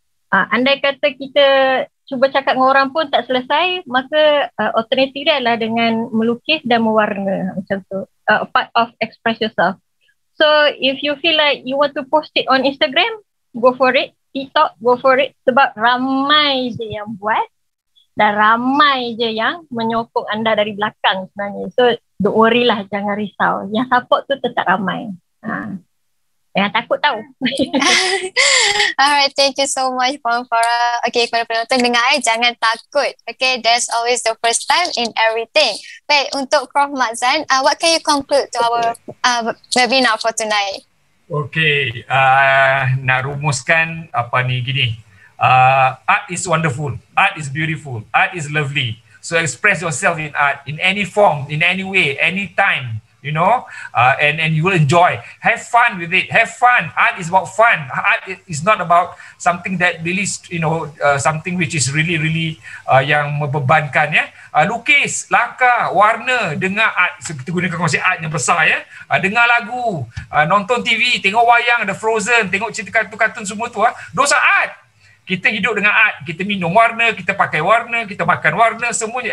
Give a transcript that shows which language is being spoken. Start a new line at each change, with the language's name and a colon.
Malay: Andai kata kita cuba cakap dengan orang pun tak selesai, maka alternatif dia adalah dengan melukis dan mewarna, macam tu.
English: Part of express yourself. So if you feel like you want to post it on Instagram, go for it. TikTok, go for it.
Malay: Sebab ramai je yang buat dan ramai je yang menyokong anda dari belakang sebenarnya.
English: So don't worry
Malay: lah, jangan risau. Yang support tu tetap ramai. Jangan takut tau.
English: Alright, thank you so much, Puan Farah. Okay,
Malay: kepada penonton dengar, jangan takut.
English: Okay, there's always the first time in everything.
Malay: Baik, untuk Prof.
English: Mat Zain, what can you conclude to our webinar for tonight?
Malay: Okay, nak rumuskan apa ni, gini.
English: Art is wonderful. Art is beautiful. Art is lovely. So express yourself in art, in any form, in any way, any time. You know, and you will enjoy. Have fun with it. Have fun. Art is about fun. Art is not about something that really, you know, something which is really, really
Malay: yang membebankan. Ya, lukis, langkah, warna, dengar art. Kita gunakan konsep art yang besar. Ya, dengar lagu, nonton TV, tengok wayang, The Frozen, tengok cerita kartun-kartun semua tu. Dosa art. Kita hidup dengan art. Kita minum warna, kita pakai warna, kita makan warna, semuanya.